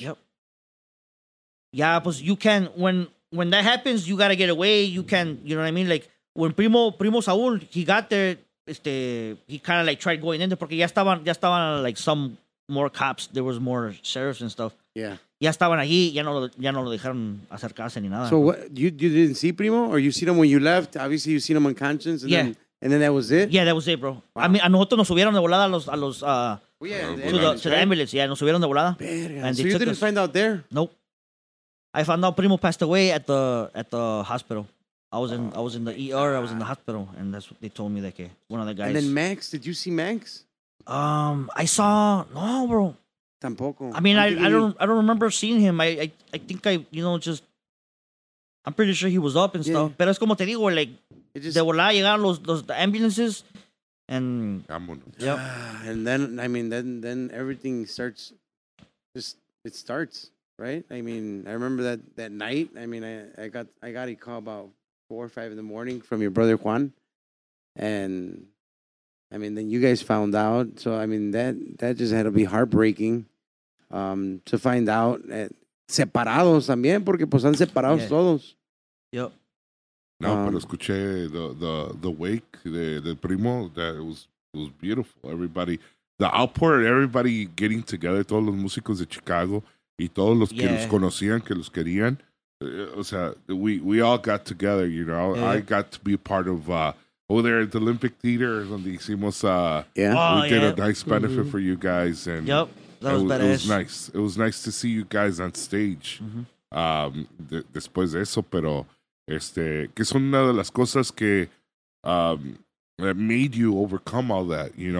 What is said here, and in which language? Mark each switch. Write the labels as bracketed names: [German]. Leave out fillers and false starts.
[English] Yep. Yeah, pues you can, when that happens, you gotta get away. You can, you know what I mean? Like when Primo Saul, he got there, he kinda like tried going in there [Spanish] porque ya estaban [English] like some more cops, there was more sheriffs and stuff. Yeah. [Spanish] Ya estaban allí, ya no lo dejaron acercarse ni nada. [English] So what, you didn't see Primo, or you seen him when you left? Obviously you seen him unconscious, and then that was it? Yeah, that was it, bro. Wow. I mean, [Spanish] a nosotros nos subieron de volada a los [English] to the ambulance. [Spanish] Yeah, nos subieron de volada. [English] And so you didn't find out there? Nope. I found out Primo passed away at the hospital. I was in the ER. I was in the hospital, and that's what they told me, that one of the guys. And then Max, did you see Max? I saw, no, bro. [Spanish] Tampoco. [English] I mean, I don't remember seeing him. I think I, you know, just, I'm pretty sure he was up and stuff. [Spanish] Pero es como te digo, like, de volada llegaron [English] the ambulances, and [Spanish] vámonos. [English] Yep. And then, I mean, then everything starts, it starts. Right? I mean, I remember that night. I mean, I got a call about 4 or 5 in the morning from your brother Juan. And I mean, then you guys found out. So I mean, that just had to be heartbreaking. [Spanish] To find out separados también, porque pues han separados todos. [English] Yep. [Spanish] No, pero escuché [English] the wake de Primo, that it was beautiful. Everybody, the outpour, everybody getting together, [Spanish] todos los músicos de Chicago. Y todos los que los conocían, que los querían. [English] O sea, we all got together, you know. Yeah. I got to be a part of, over there at the Olympic Theater, [Spanish] donde hicimos, [English] we did a nice benefit for you guys. And yep, that was badass. It was nice. It was nice to see you guys on stage. [Spanish] Mm-hmm. Después de eso, pero, que son una de las cosas que, [English] that made you overcome all that, you know.